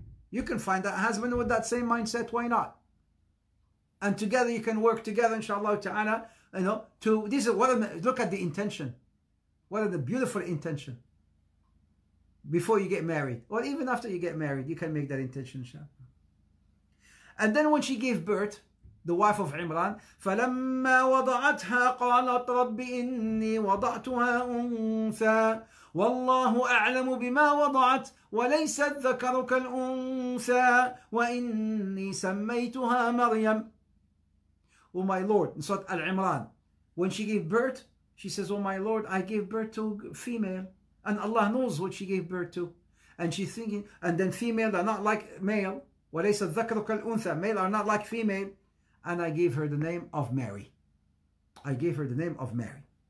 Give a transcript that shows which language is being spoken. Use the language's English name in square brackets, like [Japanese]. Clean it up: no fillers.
[English] You can find that husband with that same mindset, why not? And together you can work together, inshallah ta'ala, you know, to this is what a, look at the intention. What a beautiful intention. Before you get married, or even after you get married, you can make that intention, inshallah. And then when she gave birth, the wife of Imran, [Arabic] فَلَمَّا وَضَعَتْهَا قَالَتْ رَبِّ إِنِّي وَضَعْتُهَا أُنثَى وَاللَّهُ أَعْلَمُ بِمَا وَضَعَتْ وَلَيْسَ الذَّكَرُ كَالْأُنثَى وَإِنِّي سَمَّيْتُهَا مَرْيَمَ. [English] Oh my Lord, in Surah Al-Imran, when she gave birth, she says, oh my Lord, I gave birth to female, and Allah knows what she gave birth to. And she's thinking, and then female are not like male, [Arabic] وَلَيْسَ الذَّكَرُ كَالْأُنثَى, [English] male are not like female. And I gave her the name of Mary. I gave her the name of Mary.